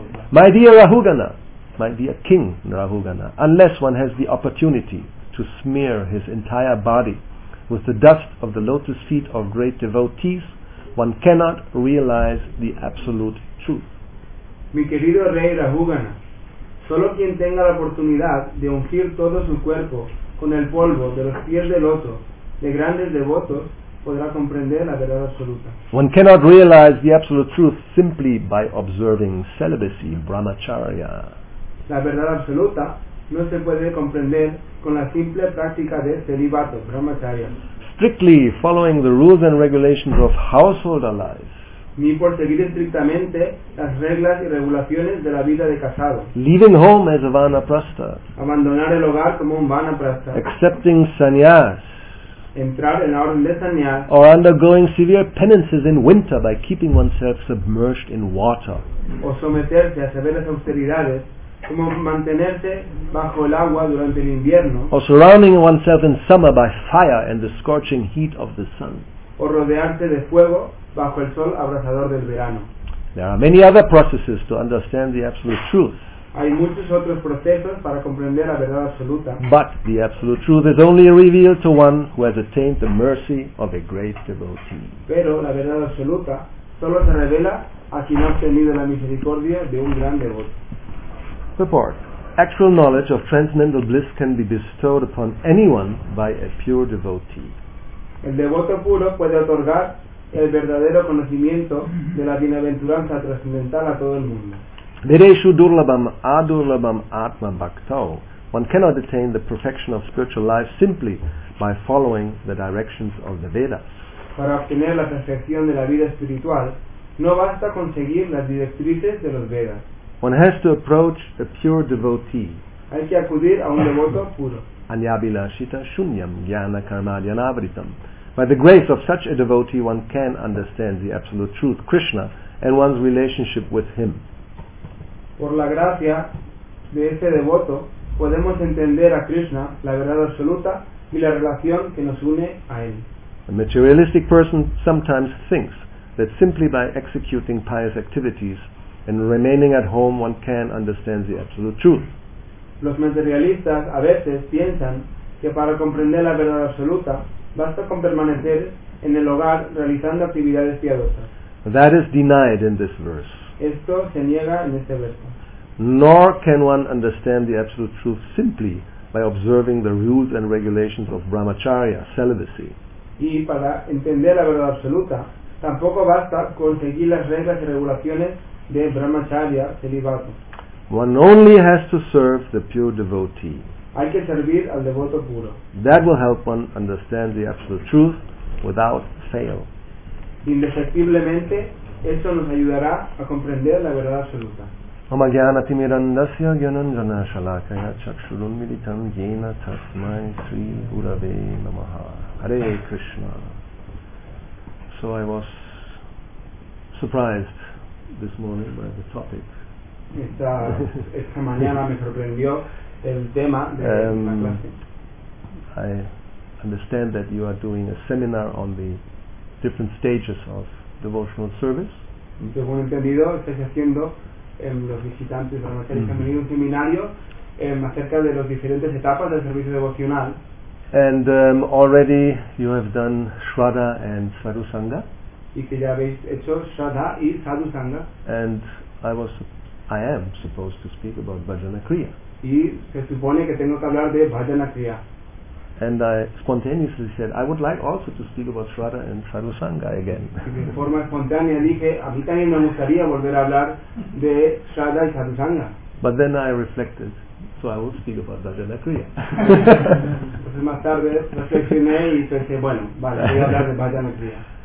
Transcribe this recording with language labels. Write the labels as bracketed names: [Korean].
[English] My dear Rahugana, my dear King Rahugana, unless one has the opportunity to smear his entire body with the dust of the lotus feet of great devotees, one cannot realize the absolute truth. [Spanish] Mi querido rey Rahugana, solo quien tenga la oportunidad de ungir todo su cuerpo con el polvo de los pies de loto de grandes devotos podrá comprender la verdad absoluta. [English] One cannot realize the absolute truth simply by observing celibacy, brahmacharya. [Spanish] La verdad absoluta no se puede comprender con la simple práctica de celibato, brahmacharya. [English] Strictly following the rules and regulations of household life. [Spanish] Ni por seguir estrictamente las reglas y regulaciones de la vida de casado. [English] Leaving home as a vanaprastha. [Spanish] Abandonar el hogar como un vanaprastha. [English] Accepting sannyas. [Spanish] Entrar en la orden de sannyas. [English] Or undergoing severe penances in winter by keeping oneself submerged in water. [Spanish] O someterse a severas austeridades como mantenerse bajo el agua durante el invierno. [English] Or surrounding oneself in summer by fire and the scorching heat of the sun. [Spanish] O rodearse de fuego bajo el sol abrasador del verano. [English] There are many other processes to understand the absolute truth. [Spanish] Hay muchos otros procesos para comprender la verdad absoluta. [English] But the absolute truth is only revealed to one who has attained the mercy of a great devotee. [Spanish] Pero la verdad absoluta solo se revela a quien ha obtenido la misericordia de un gran devoto. [English] Purport. Actual knowledge of transcendental bliss can be bestowed upon anyone by a pure devotee. [Spanish] El devoto puro puede otorgar el verdadero conocimiento de la bienaventuranza trascendental a todo el mundo. [Sanskrit] Vireshu durlabam adurlabam atma bhakto. [English] One cannot attain the perfection of spiritual life simply by following the directions of the Vedas. [Spanish] Para obtener la perfección de la vida espiritual, no basta conseguir las directrices de los Vedas. [English] One has to approach a pure devotee. [Spanish] Hay que acudir a un devoto puro. [Sanskrit] Anyabilashita shunyam jnana karmadhyanavritam. [English] By the grace of such a devotee, one can understand the absolute truth, Krishna, and one's relationship with Him. [Spanish] Por la gracia de ese devoto, podemos entender a Krishna, la verdad absoluta, y la relación que nos une a Él. [English] A materialistic person sometimes thinks that simply by executing pious activities and remaining at home, one can understand the absolute truth. [Spanish] Los materialistas a veces piensan que para comprender la verdad absoluta, basta con permanecer en el hogar realizando actividades piadosas. [English] That is denied in this verse. [Spanish] Esto se niega en este verso. [English] Nor can one understand the absolute truth simply by observing the rules and regulations of brahmacharya, celibacy. [Spanish] Y para entender la verdad absoluta, tampoco basta con seguir las reglas y regulaciones de brahmacharya, celibato. [English] One only has to serve the pure devotee. [Spanish] Hay que servir al devoto puro. [English] That will help one understand the absolute truth without fail. [Spanish] Indefectiblemente, eso nos ayudará a comprender la verdad absoluta. [Sanskrit] Oma jnana timirandasya gyananjana shalakaya chakshurun militam yena tasmai sri gurave namaha. [English] Hare Krishna. So I was surprised this morning by the topic. [Spanish] Esta mañana me sorprendió el tema de la clase. [English] I understand that you are doing a seminar on the different stages of devotional service. [Spanish] Según entendido, estáis haciendo los visitantes de la materia un seminario acerca de las diferentes etapas del servicio devocional. [English] And already you have done Shraddha and Sadhusanga. [Spanish] Y que ya habéis hecho Shraddha y Sadhusanga. [English] And I am supposed to speak about Bhajana Kriya. [Spanish] Y se supone que tengo que hablar de Bhajana Kriya. [English] And I spontaneously said, I would like also to speak about Shraddha and Sadhusanga again. [Spanish] Y de forma espontánea dije, a mí también me gustaría volver a hablar de Shraddha y Sadhusanga. [English] But then I reflected, so I will speak about Bhajana Kriya. [Spanish] Entonces más tarde reflexioné y pensé, bueno, vale, voy a hablar de Bhajana Kriya.